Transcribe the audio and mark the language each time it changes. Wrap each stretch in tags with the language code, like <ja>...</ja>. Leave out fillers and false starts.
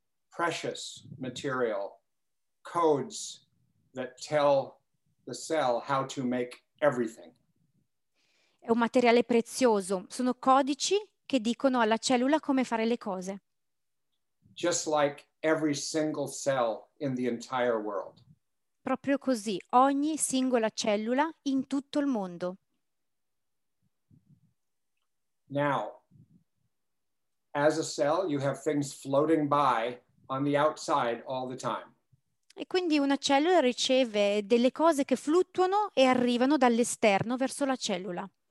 <en>Precious material, codes that tell the cell how to make everything.</en> <it>È un materiale prezioso, sono codici che dicono alla cellula come fare le cose.</it> <en>Just like every single cell in the entire world.</en> <it>Proprio così, ogni singola cellula in tutto il mondo.</it> <en>Now, as a cell, you have things floating by on the outside all the time.</en> <it>E quindi una cellula riceve delle cose che fluttuano e arrivano dall'esterno verso la cellula.</it>